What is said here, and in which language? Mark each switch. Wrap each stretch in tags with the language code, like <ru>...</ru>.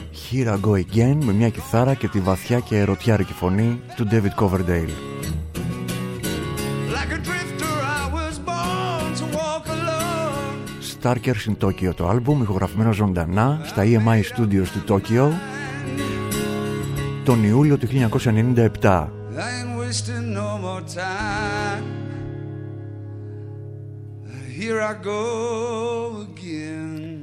<en>Here I go again,</en> <el>με μια κιθάρα και τη βαθιά και ερωτιάρικη φωνή του David Coverdale.</el> <en>Like a drifter, I was born to walk alone.</en> <el>Starkers in Tokyo το άλμπουμ, ηχογραφημένο ζωντανά στα EMI Studios του Τόκιο τον Ιούλιο του 1997.</el> <en>No, here I go again.</en>